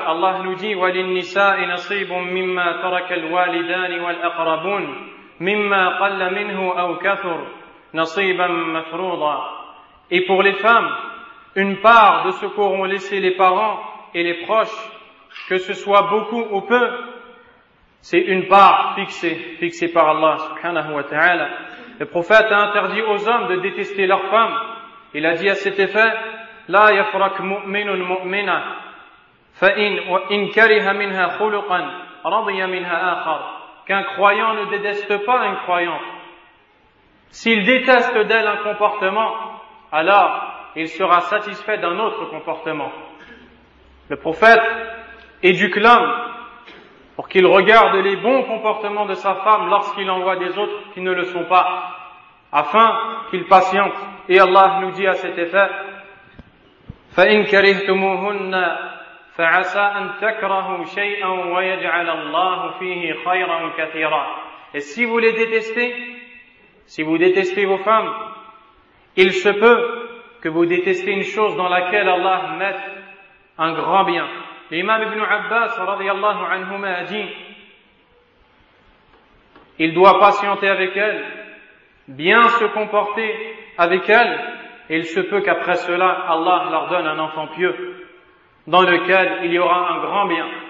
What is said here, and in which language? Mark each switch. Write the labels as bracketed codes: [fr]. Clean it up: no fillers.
[fr] Allah nous dit « [ar] وَلِلْنِسَاءِ نَصِيبٌ مِمَّا تَرَكَ الْوَالِدَانِ وَالْأَقْرَبُونَ مِمَّا قَلَّ مِنْهُ أَوْ كَثُرُ نَصِيبًا مَفْرُوضًا. [fr] » Et pour les femmes, une part de ce qu'auront laissé les parents et les proches, que ce soit beaucoup ou peu, c'est une part fixée par Allah subhanahu wa ta'ala. Le prophète a interdit aux hommes de détester leurs femmes. Il a dit à cet effet [ar] « لا يفرق مؤمن مؤمنة فإن وإن كره منها خلقا رضي منها آخر. [fr] Qu'un croyant ne déteste pas un croyant. S'il déteste d'elle un comportement, alors il sera satisfait d'un autre comportement. Le prophète éduque l'homme pour qu'il regarde les bons comportements de sa femme lorsqu'il en voit des autres qui ne le sont pas, afin qu'il patiente. Et Allah nous dit à cet effet, [ar] فَإِنْ كَرِهْتُمُوهُنَّ فعسى أن تكرهوا شيئا ويجعل الله فيه خيرا كثيرا. [fr] Et si vous les détestez, si vous détestez vos femmes, il se peut que vous détestez une chose dans laquelle Allah met un grand bien. L'imam Ibn Abbas, radiallahu anhuma, a dit, il doit patienter avec elle, bien se comporter avec elle, et il se peut qu'après cela, Allah leur donne un enfant pieux, dans lequel il y aura un grand bien.